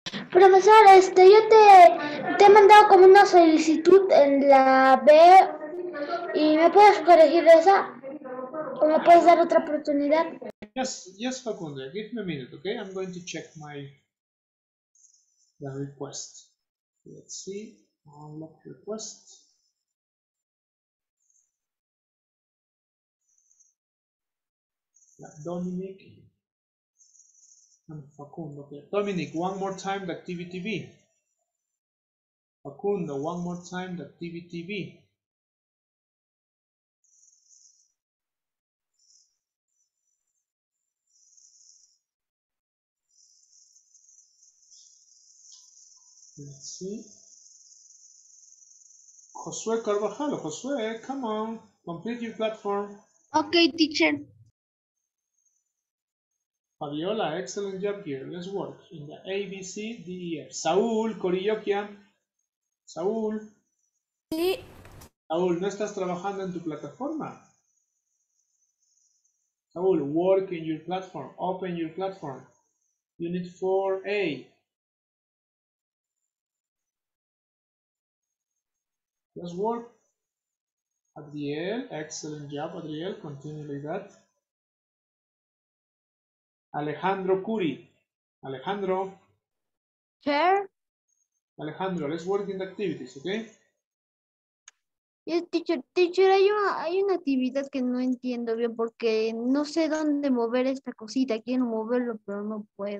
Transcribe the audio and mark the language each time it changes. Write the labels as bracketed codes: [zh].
[es] Profesor, yo te he mandado como una solicitud en la B. ¿Y me puedes corregir esa? ¿O me puedes dar otra oportunidad? [en] Yes, Facundo, give me a minute, okay? I'm going to check my the request. Let's see, unlock request. Yeah, Dominic and Facundo. Okay. Dominic, one more time the activity B. Facundo, one more time the activity B. Let's see. Josué Carvajal, Josué, come on, complete your platform. Okay, teacher. Fabiola, excellent job here. Let's work in the A, B, C, D, E, F. Saúl, Corilloquia. Saúl. [es] Sí. Saúl, ¿no estás trabajando en tu plataforma? [en] Saúl, work in your platform. Open your platform. Unit 4A. Let's work. Adriel, excellent job, Adriel. Continue like that. Alejandro Curi. Alejandro. Chair. Alejandro, let's work in the activities, okay? Yes, teacher. [es] Teacher, hay una actividad que no entiendo bien porque no sé dónde mover esta cosita. Quiero moverlo, pero no puedo.